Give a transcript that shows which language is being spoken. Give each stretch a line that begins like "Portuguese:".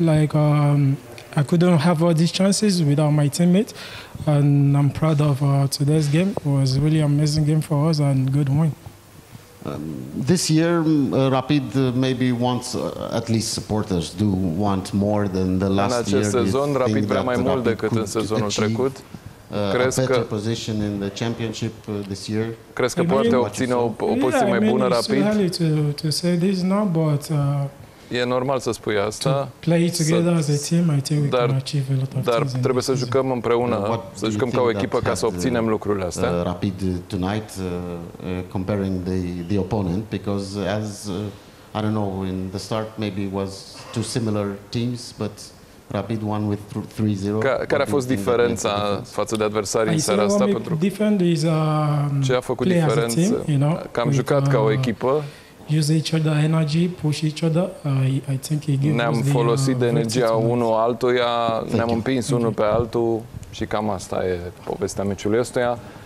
English: Like I couldn't have all these chances without my teammates. And I'm proud of today's game. It was really amazing game for us and good win. This year, Rapid maybe wants, at least supporters do, want more than the last year.
Romanian: În acest sezon, Rapid vrea mai mult decât în sezonul trecut. Crezi că...
English: A better position in the championship this year.
Romanian: Crezi că poate obține o poziție mai bună, Rapid?
English: Yeah, I mean, it's too early to say this now, but...
Romanian: E normal să spui asta.
English: To play together as a team, I think we can achieve a lot of things.
Romanian: Dar trebuie să jucăm împreună, să jucăm ca o echipă ca să obținem lucrurile astea.
English: Rapid tonight comparing the opponent, because as I don't know, in the start maybe it was two similar teams, but Rapid won with 3-0.
Romanian: Care a fost diferența față de adversarii în seara asta pentru? Ce a făcut diferența?
English: Team, you know,
Romanian: cam jucat ca o echipă.
English: Use each other energy, push each other. I think it gives.
Romanian: Ne-am folosit de energia unul altuia, ne-am împins unul pe altul și cam asta e povestea meciului ăstuia.